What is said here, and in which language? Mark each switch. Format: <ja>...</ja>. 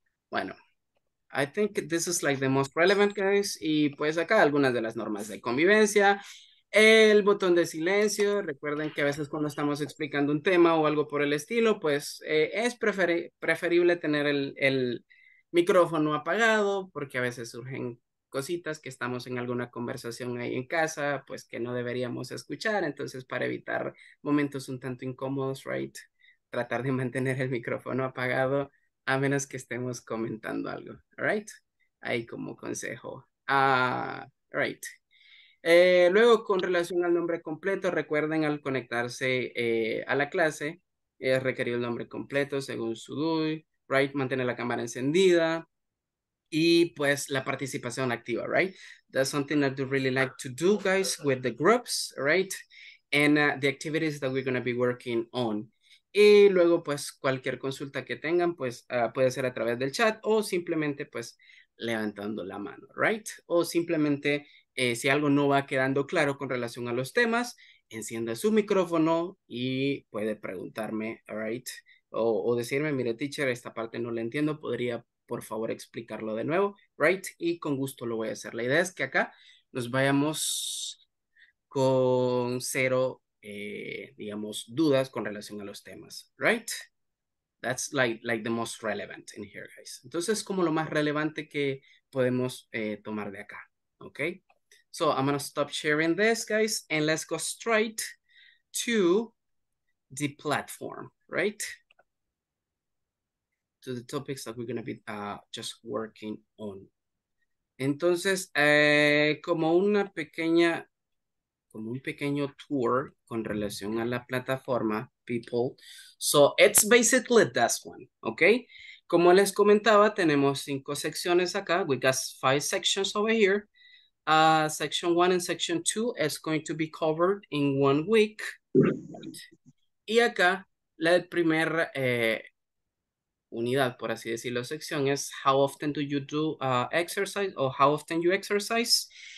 <en>Bueno, I think this is like the most relevant, guys.</en> <es>Y pues acá algunas de las normas de convivencia. El botón de silencio. Recuerden que a veces cuando estamos explicando un tema o algo por el estilo, pues es preferible tener el micrófono apagado porque a veces surgen cositas que estamos en alguna conversación ahí en casa, pues que no deberíamos escuchar. Entonces, para evitar momentos un tanto incómodos, right? Tratar de mantener el micrófono apagado a menos que estemos comentando algo, right? Ahí como consejo. Right. Luego, con relación al nombre completo, recuerden al conectarse a la clase, es requerido el nombre completo según su DUI, right? Mantener la cámara encendida y pues la participación activa, right?</es> <en>That's something I do really like to do, guys, with the groups, right? And the activities that we're going to be working on.</en> <es>Y luego, pues, cualquier consulta que tengan, pues, puede ser a través del chat o simplemente, pues, levantando la mano, ¿right? O simplemente, si algo no va quedando claro con relación a los temas, encienda su micrófono y puede preguntarme, ¿right? O decirme, mire, teacher, esta parte no la entiendo, podría, por favor, explicarlo de nuevo, ¿right? Y con gusto lo voy a hacer. La idea es que acá nos vayamos con cero, digamos, dudas con relación a los temas, right?</es> <en>That's like the most relevant in here, guys.</en> <es>Entonces, como lo más relevante que podemos tomar de acá, okay?</es> <en>So, I'm gonna stop sharing this, guys, and let's go straight to the platform, right? To the topics that we're gonna be just working on.</en> <es>Entonces, como un pequeño tour con relación a la plataforma, people.</es> <en>So, it's basically this one, okay?</en> <es>Como les comentaba, tenemos 5 secciones acá.</es> <en>We got 5 sections over here. Section 1 and section 2 is going to be covered in 1 week.</en> <es>Y acá, la primera unidad, por así decirlo, sección es</es> <en>how often do you do exercise or how often you exercise.</en>